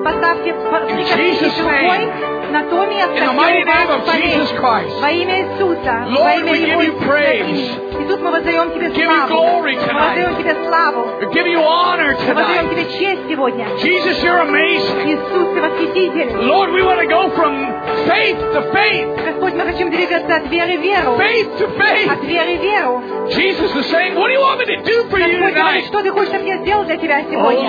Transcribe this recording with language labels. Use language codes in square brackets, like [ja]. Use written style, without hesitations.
[ru] поставьте свой на то место, где вас болеет. Во имя Иисуса, во имя Его Иисуса. Иисус, мы воздаем Тебе славу. Мы воздаем Тебе славу. Мы воздаем Тебе честь сегодня. [en] Jesus, you're amazing. [ru] Иисус, Ты восхититель. [en] Lord, we want to go from faith to faith. [ru] Господь, мы хотим двигаться от веры в веру. [en] Faith to faith. [ru] От веры в веру. [en] Jesus is saying, what do you want me to do for you tonight? [ru] Господь, что Ты хочешь, чтобы я сделал для Тебя сегодня?